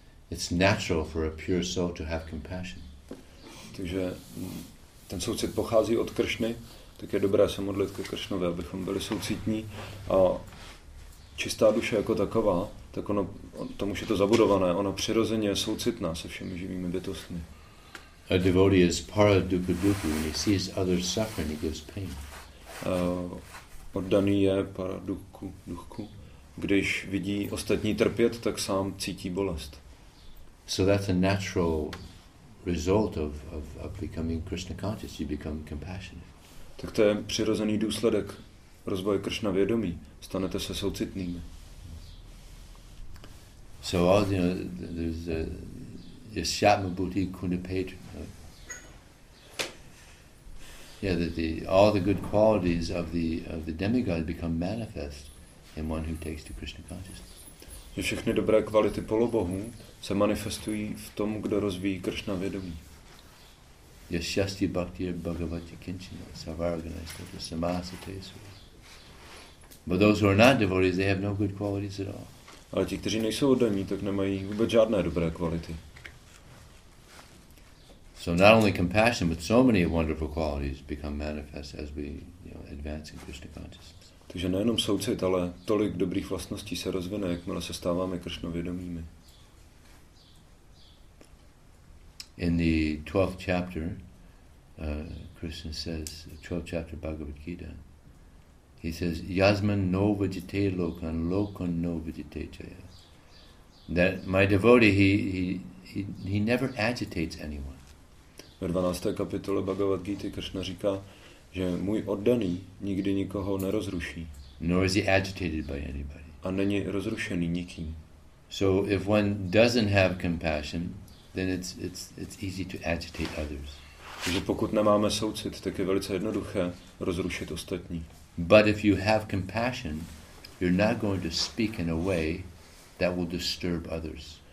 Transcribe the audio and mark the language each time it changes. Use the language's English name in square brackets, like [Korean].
[English] It's natural for a pure soul to have compassion. [Czech] Takže ten soucit pochází od Kršny, tak je dobré se modlit ke Kršnovi, abychom byli soucitní. A čistá duše jako taková, tak ono, tomu je to zabudované, ono přirozeně je soucitná se všemi živými bytostmi. [English] A devotee is para dukha dukhi. When he sees others suffering, he gives pain. [Czech] Oddaný je para dukhu. Když vidí ostatní trpět, tak sám cítí bolest. [English] So that's a natural result of becoming Krishna conscious. You become compassionate. [Czech] Tak to je přirozený důsledek rozvoje Krishna vědomí. Stanete se soucitnými. [English] So all you know, there's a [Sanskrit] Yashyatma Bhuti Kunipetra. [English] Yeah, that the all the good qualities of the demigod become manifest in one who takes to Krishna consciousness. [Czech] Že všechny dobré kvality polobohů se manifestují v tom, kdo rozvíjí Krishna vědomí. [Sanskrit] Yashasti bhakti bhagavati kinchina savarganaista samasitesu. [English] But those who are not devotees, they have no good qualities at all. [Czech] Ale ti, kteří nejsou oddaní, tak nemají vůbec žádné dobré kvality. [English] So not only compassion, but so many wonderful qualities become manifest as we, you know, advance in Krishna consciousness. [Czech] Takže nejenom soucit, ale tolik dobrých vlastností se rozvine, jakmile se stáváme Krishnovědomými. [English] In the 12th chapter, Krishna says, 12th chapter Bhagavad Gita, he says, [Sanskrit] Yasman no vajite lokan, lokan no vajite jaya. [English] That my devotee, he never agitates anyone. [Czech] Ve 12. kapitole Bhagavad Gita Krishna říká, že můj oddaný nikdy nikoho nerozruší. [English] Nor is he agitated by anybody. [Czech] A není rozrušený nikým. [English] So if one doesn't have compassion, then it's easy to agitate others. [Czech] Takže pokud nemáme soucit, tak je velice jednoduché rozrušit ostatní. [English] But if you have compassion, you're not going to speak in a way that will disturb others.